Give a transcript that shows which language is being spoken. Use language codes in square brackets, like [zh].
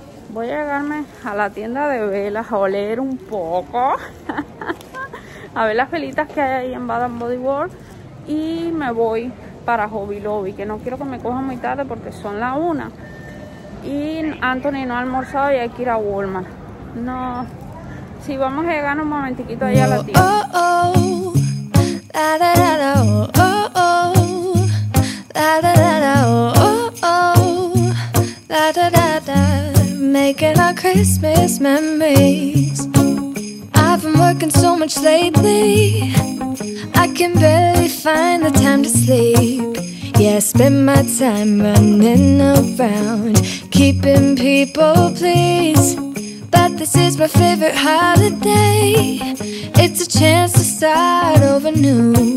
[es] Voy a llegarme a la tienda de velas a oler un poco, a ver las velitas que hay ahí en Bath & Body Works y me voy para Hobby Lobby, que no quiero que me cojan muy tarde porque son la una y Anthony no ha almorzado y hay que ir a Walmart. No, si sí, vamos a llegar un momentiquito ahí a la tienda. Oh, oh, la, da, da, da, oh, oh, la, da, da, da, oh, oh, la, da, da, da, [en] making our Christmas memories. I've been working so much lately, I can barely find the time to sleep. Yeah, I spend my time running around, keeping people pleased. But this is my favorite holiday, it's a chance to start over new.